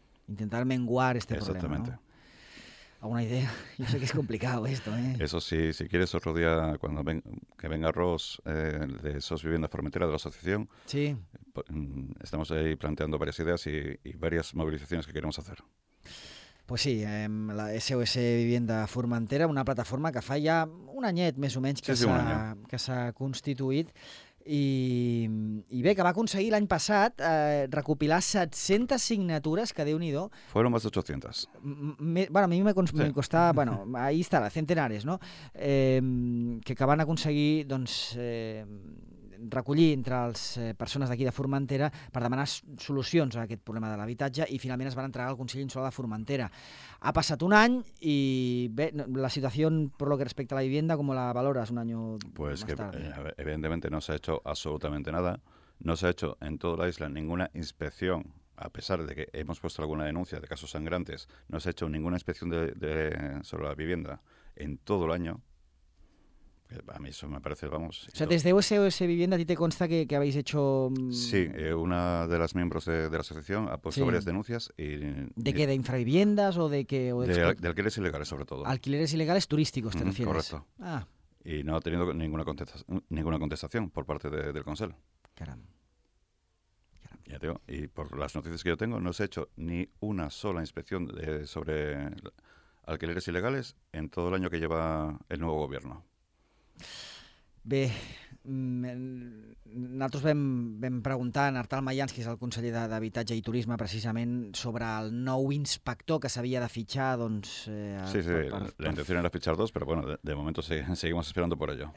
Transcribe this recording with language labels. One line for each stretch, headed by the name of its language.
Spanish: Intentar menguar este problema. Exactamente. ¿No? ¿Alguna idea? Yo sé que es complicado esto, ¿eh? Eso sí, si quieres otro día, cuando que venga Ross, de SOS Vivienda Formentera, de la asociación, sí, estamos ahí planteando varias ideas y varias movilizaciones que queremos hacer.
Catalan: Pues sí, la SOS Vivienda Formentera, una plataforma que fa ja un anyet, més o menys, que s'ha constituït. I bé, que va aconseguir l'any passat recopilar 700 signatures, que déu-n'hi-do.
Spanish: Fueron más de 800. Bueno, a mi me costava, bueno, ahí está, centenares, no?
Catalan: Que van aconseguir, doncs, recollir entre les persones d'aquí de Formentera per demanar solucions a aquest problema de l'habitatge i finalment es van entregar al Consell Insular de Formentera. Ha passat un any i bé, la situació per lo que respecta a la vivienda, com la valores un any
Spanish: pues
Catalan: més que, tard?
Spanish: Evidentemente no se ha hecho absolutamente nada. No se ha hecho en toda la isla ninguna inspección, a pesar de que hemos puesto alguna denuncia de casos sangrantes. No se ha hecho ninguna inspección sobre la vivienda en todo el año. A mí eso me parece, vamos... O sea, desde SOS Vivienda a ti te consta que habéis hecho... Sí, una de las miembros de la asociación ha puesto, sí, varias denuncias y... ¿De qué? ¿De infraviviendas o de qué? De alquileres ilegales, sobre todo. ¿Alquileres ilegales turísticos, te refieres? Correcto. Ah. Y no ha tenido ninguna contestación por parte del Consell. Caramba. Ya te digo, y por las noticias que yo tengo, no se ha hecho ni una sola inspección sobre alquileres ilegales en todo el año que lleva el nuevo gobierno.
Catalan: Bé, nosaltres vam preguntar a Nartal Mayans, que és el conseller d'Habitatge i Turisme, precisament sobre el nou inspector que s'havia de fitxar, doncs... La intenció era fitxar dos, però bueno, de moment seguim esperant per allò.